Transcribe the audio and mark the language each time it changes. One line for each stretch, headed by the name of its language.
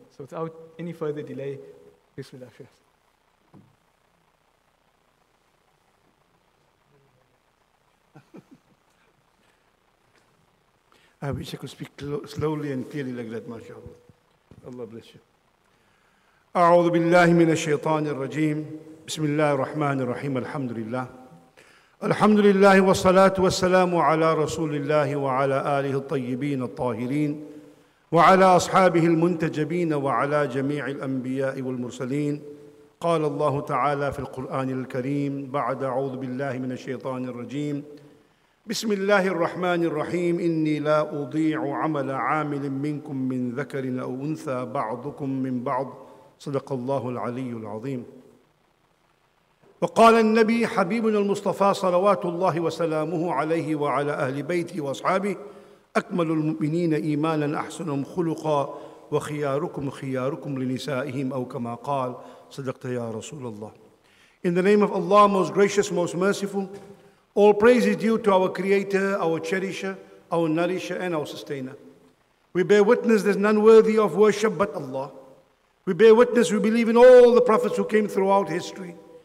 English: So without any further delay, Bismillah, Sheikh. I wish I could speak slowly and clearly like that, mashallah. Allah bless you.
Arabic: أعوذ بالله من الشيطان الرجيم بسم الله الرحمن الرحيم الحمد لله الحمد لله والصلاة والسلام على رسول الله وعلى آله الطيبين الطاهرين وعلى أصحابه المنتجبين وعلى جميع الأنبياء والمرسلين قال الله تعالى في القرآن الكريم بعد أعوذ بالله من الشيطان الرجيم بسم الله الرحمن الرحيم إني لا أضيع عمل عامل منكم من ذكر أو أنثى بعضكم من بعض صدق الله العلي العظيم وقال النبي حبيبنا المصطفى صلوات الله وسلامه عليه وعلى أهل بيته وأصحابه أكمل المؤمنين إيمانا أحسنهم خلقا وخياركم خياركم لنسائهم أو كما قال صدقت يا رسول الله.
English: In the name of Allah, most gracious, most merciful, all praise is due to our Creator, our Cherisher, our Nourisher and our Sustainer. We bear witness there's none worthy of worship but Allah. We bear witness, we believe in all the prophets who came throughout history.